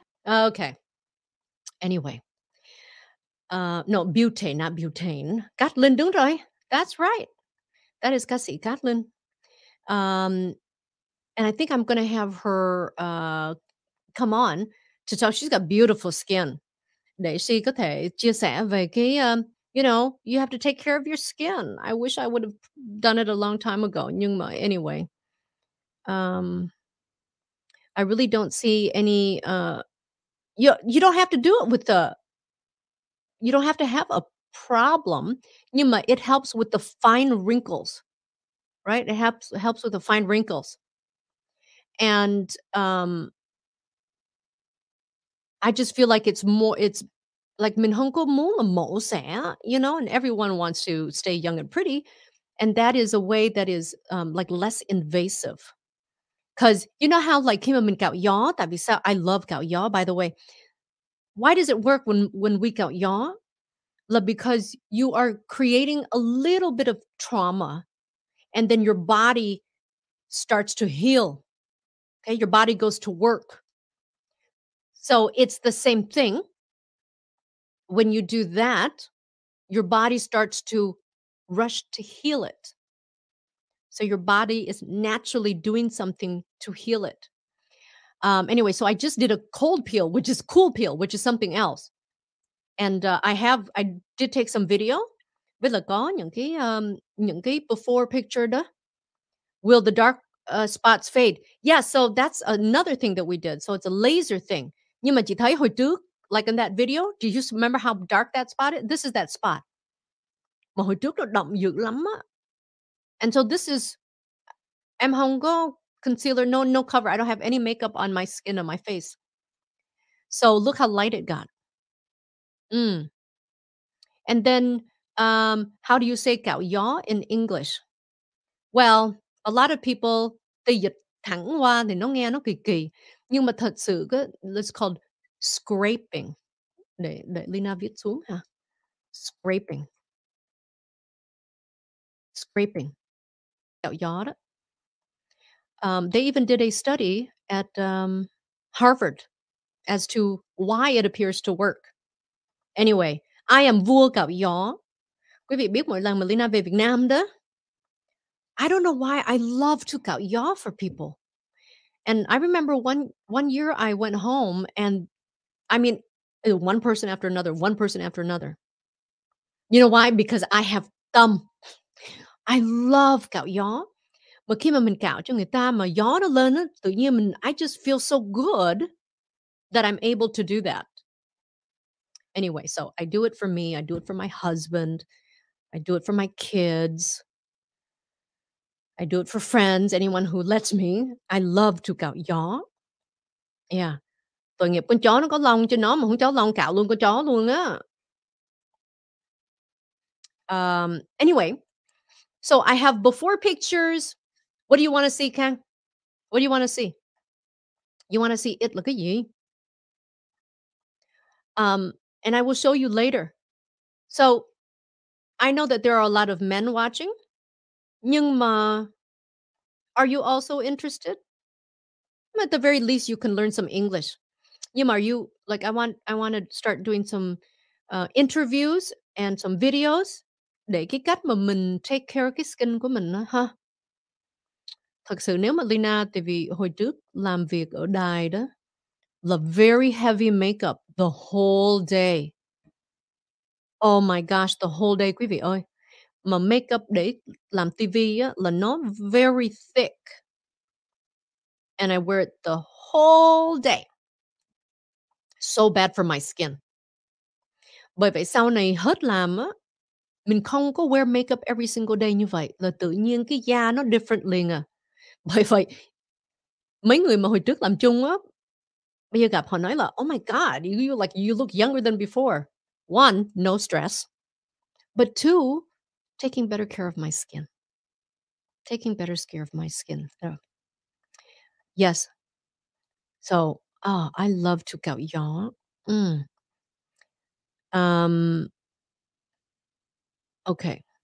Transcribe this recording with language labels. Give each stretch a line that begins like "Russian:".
English: Okay. Anyway. No, butane, not butane. Cát Linh
Vietnamese: đúng rồi.
English: That's right. That is Cát Sĩ Cát Linh. And I think I'm going to have her come on to talk. She's got beautiful skin.
Vietnamese: Để
English: she
Vietnamese: có thể chia sẻ về cái...
English: you know, you have to take care of your skin. I wish I would have done it a long time ago.
Vietnamese: Nhưng mà,
English: anyway, I really don't see any, you don't have to do it with the, you don't have to have a problem.
Vietnamese: Nhưng mà,
English: it helps with the fine wrinkles, right? It helps with the fine wrinkles. And I just feel like it's like
Vietnamese: mình không có muốn là mổ xẻ,
English: you know, and everyone wants to stay young and pretty. And that is a way that is like less invasive. Because you know how like
Vietnamese: khi mà mình cạo gió, tại vì sao?
English: I love cạo gió, by the way. Why does it work when we cạo gió? Like because you are creating a little bit of trauma and then your body starts to heal. Okay, your body goes to work. So it's the same thing. When you do that, your body starts to rush to heal it. So your body is naturally doing something to heal it. Anyway, so I just did a cold peel, which is cool peel, which is something else. And I did take some video.
Vietnamese: Vậy là có những cái
English: before picture
Vietnamese: đó.
English: Will the dark spots fade? Yeah, so that's another thing that we did. So it's a laser thing.
Vietnamese: Nhưng mà chị thấy hồi trước,
English: like in that video, do you just remember how dark that spot is? This is that spot.
Vietnamese: Mà hồi trước nó đậm dữ lắm á.
English: And so this is,
Vietnamese: em không có
English: concealer, no cover. I don't have any makeup on my skin or my face. So look how light it got. Mm. And then, how do you say cạo gió in English? Well, a lot of people, they
Vietnamese: dịch thẳng qua, thì nó nghe nó kỳ kỳ. Nhưng mà thật sự,
English: it's called scraping.
Vietnamese: Để Lina viết xuống ha. Scraping.
English: Scraping. They even did a study at Harvard as to why it appears to work. Anyway, I am
Vietnamese: vua
English: cạo gió.
Vietnamese: Quý vị biết mỗi lần mà Lina về Việt Nam đó.
English: I don't know why I love to cạo gió for people. And I remember one year I went home and I mean, one person after another. You know why? Because I have thumb. I love cạo gió.
Vietnamese: Mà khi mà mình cạo cho người ta mà gió nó lên, tự nhiên mình,
English: I just feel so good that I'm able to do that. Anyway, so I do it for me. I do it for my husband. I do it for my kids. I do it for friends, anyone who lets me. I love to cạo gió. Yeah.
Vietnamese: Tội nghiệp con chó nó có lông cho nó mà không chó lông cạo luôn con chó luôn á.
English: Anyway, so I have before pictures. What do you want to see, Kang? What do you want to see? You want to see it? Look at you. And I will show you later. So I know that there are a lot of men watching.
Vietnamese: Nhưng mà,
English: are you also interested? At the very least, you can learn some English.
Vietnamese: Nhưng mà,
English: are you like I want to start doing some interviews and some videos
Vietnamese: để cái cách mà mình
English: take care of
Vietnamese: cái
English: skin
Vietnamese: của mình đó, ha. Thật sự nếu mà Lina, tại vì hồi trước làm việc ở đài đó, là
English: very heavy makeup the whole day. Oh my gosh, the whole day,
Vietnamese: quý vị ơi. Mà makeup để làm TV á, là nó
English: very thick. And I wear it the whole day. So bad for my skin.
Vietnamese: Bởi vậy sau này hết làm á, mình không có
English: wear makeup every single day
Vietnamese: như vậy. Là tự nhiên cái da nó
English: different
Vietnamese: liền à. Bởi vậy, mấy người mà hồi trước làm chung á, bây giờ gặp họ nói là,
English: oh my god, you look younger than before. One, no stress. But two, taking better care of my skin. Taking better care of my skin. Oh. Yes. So, oh, I love to go, y'all. Mm. Okay.